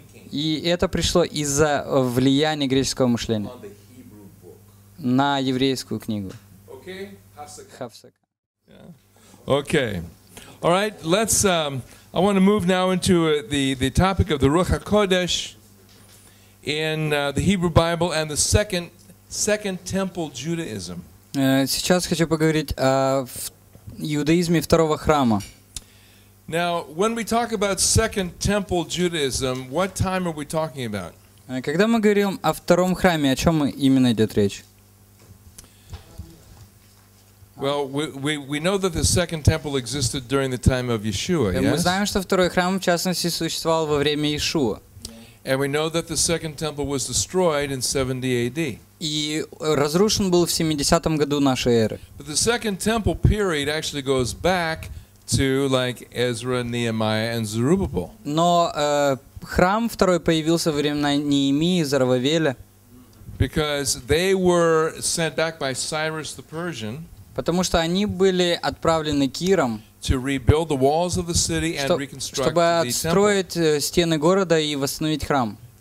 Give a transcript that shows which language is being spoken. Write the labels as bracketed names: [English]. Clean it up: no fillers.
[Russian] И это пришло из-за влияния греческого мышления на еврейскую книгу. [English] Хавсака. Okay. All right. Let's. I want to move now into the topic of the Ruach HaKodesh in the Hebrew Bible and the second Temple Judaism. [Russian] Сейчас хочу поговорить о иудаизме второго храма. [English] Now, when we talk about Second Temple Judaism, what time are we talking about? [Russian] Когда мы говорим о втором храме, о чем именно идет речь? [English] Well, we know that the Second Temple existed during the time of Yeshua. [Russian] Мы знаем, что второй храм, в частности, существовал во время Иешуа. [English] And we know that the Second Temple was destroyed in 70 A.D. [Russian] И разрушен был в 70-м году нашей эры. [English] But the Second Temple period actually goes back to like Ezra, Nehemiah, and Zerubbabel. [Russian] Но храм второй появился во времена Неемии и Зарававеля. [English] Because they were sent back by Cyrus the Persian. [Russian] Потому что они были отправлены Киром, чтобы отстроить стены города и восстановить храм.